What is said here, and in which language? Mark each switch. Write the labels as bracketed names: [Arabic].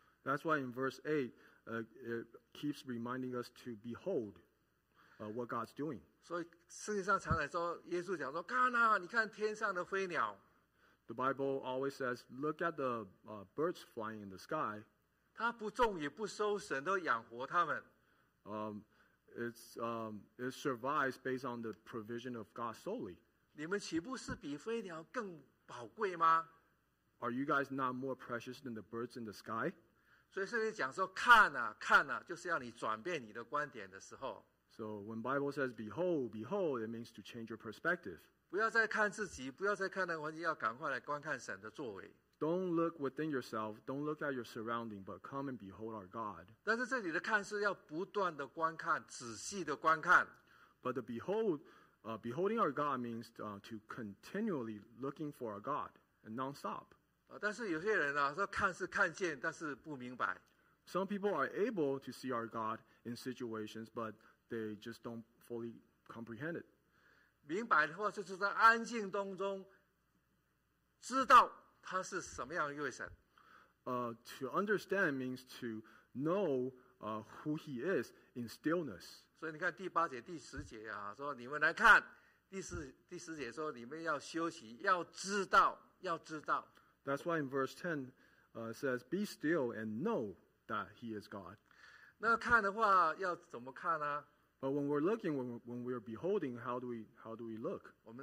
[English] That's why in verse 8, it keeps reminding us to behold what God's doing. [Chinese] 所以圣经上常常说，耶稣讲说，看啊，你看天上的飞鸟。 [English] The Bible always says, look at the birds flying in the sky. [Chinese] 他不种也不收神都养活他们。 [English] It survives based on the provision of God solely. [Chinese] 你们岂不是比飞鸟更宝贵吗？ [English] Are you guys not more precious than the birds in the sky? [Chinese] 所以圣经讲说看啊看啊，就是要你转变你的观点的时候。 [English] So when Bible says behold, behold, it means to change your perspective. [Chinese] 不要再看自己，不要再看那个环境，要赶快来观看神的作为。 [English] Don't look within yourself, don't look at your surrounding, but come and behold our God. [Chinese] 但是这里的看是要不断的观看，仔细的观看。 [English] But the behold Beholding our God means to continually looking for our God and nonstop. [Chinese] 但是有些人啊，说看是看见，但是不明白。 [English] Some people are able to see our God in situations, but they just don't fully comprehend it. [Chinese] 明白的话，就是在安静当中知道他是什么样一位神。 [English] To understand means to know who He is in stillness. [Chinese] 所以你看第八节、第十节啊，说你们来看第十节说你们要休息，要知道，要知道。 [English] That's why in verse 10 says, "Be still and know that He is God." [Chinese] 那看的话要怎么看呢？ [English] But when we're looking, when we are beholding, how do we look?